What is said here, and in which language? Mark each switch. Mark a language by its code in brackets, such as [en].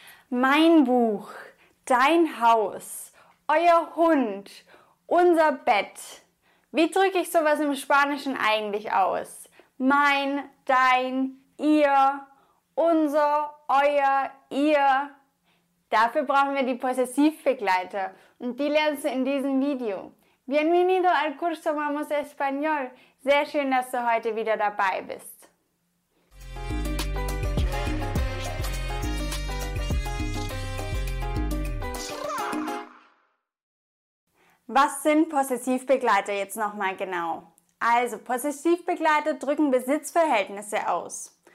[de] Mein Buch, dein Haus, euer Hund, unser Bett. Wie drücke ich sowas im Spanischen eigentlich aus? Mein, dein, ihr, unser, euer, ihr. Dafür brauchen wir die Possessivbegleiter und die lernst du in diesem Video. [es] Bienvenido al curso Vamos Español. [de] Sehr schön, dass du heute wieder dabei bist. Was sind Possessivbegleiter jetzt nochmal genau? Also, Possessivbegleiter drücken Besitzverhältnisse aus.